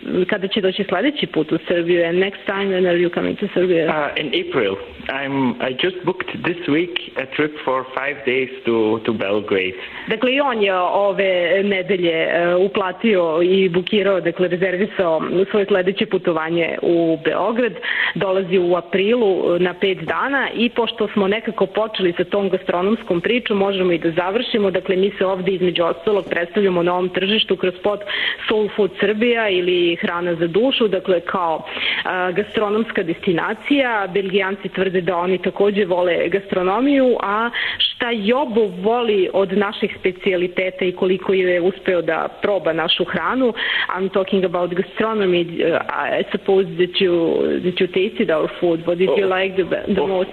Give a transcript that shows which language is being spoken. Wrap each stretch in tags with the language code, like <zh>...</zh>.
<sr>Kada će doći sljedeći put u Srbiju?</sr> <en>And next time, when are you coming to Serbia? In April. I just booked this week a trip for 5 days to Belgrade.</en> <sr>Dakle, i on je ove nedelje uplatio i bukirao, dakle, rezervisao svoje sljedeće putovanje u Beograd. Dolazi u aprilu na 5 dana i pošto smo nekako počeli sa tom gastronomskom pričom, možemo i da završimo. Dakle, mi se ovdje između ostalog predstavljamo na ovom tržištu kroz pod Soul Food Srbija ili Hrana za dušu, dakle, kao gastronomska destinacija. Belgijanci tvrde da oni takođe vole gastronomiju, a šta Jobo voli od naših specijaliteta i koliko je uspeo da proba našu hranu?</sr> <en>I'm talking about gastronomy. I suppose that you tasted our food. What did you like the most?</en>